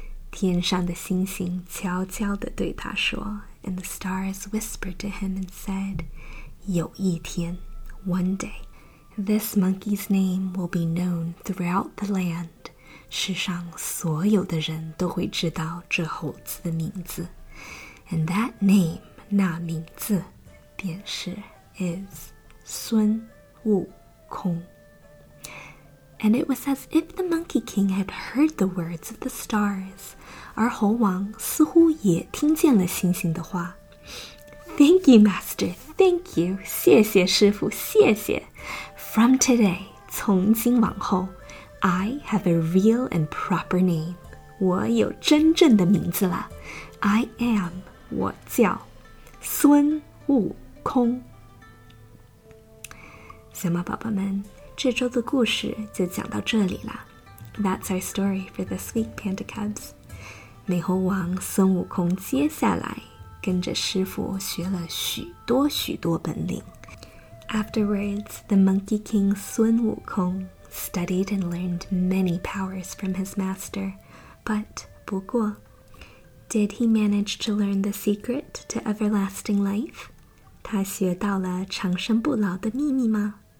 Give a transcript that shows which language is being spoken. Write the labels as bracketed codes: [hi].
[zh] 天上的星星悄悄地对他说 [en] and the stars whispered to him and said, [zh] 有一天 [en] one day, This monkey's name will be known throughout the land. [zh] 世上所有的人都会知道这猴子的名字。 [en] And that name, [zh] 那名字,便是 [en] is 孙悟空。 And it was as if the monkey king had heard the words of the stars. [zh] 而猴王似乎也听见了星星的话。 [en] Thank you, master. Thank you. [zh] 谢谢师父,谢谢。 [en] From today, [zh] 从今往后, [en] I have a real and proper name. [zh] 我有真正的名字了。 [en] I am, [zh] 我叫孙悟空。小马宝宝们,这周的故事就讲到这里了。 [en] That's our story for this week, Panda Cubs. [zh] 美猴王孙悟空接下来跟着师父学了许多许多本领。 [en] Afterwards, the monkey king Sun Wukong studied and learned many powers from his master. But, [zh] 不过, [en] did he manage to learn the secret to everlasting life? [zh] 他学到了长生不老的秘密吗?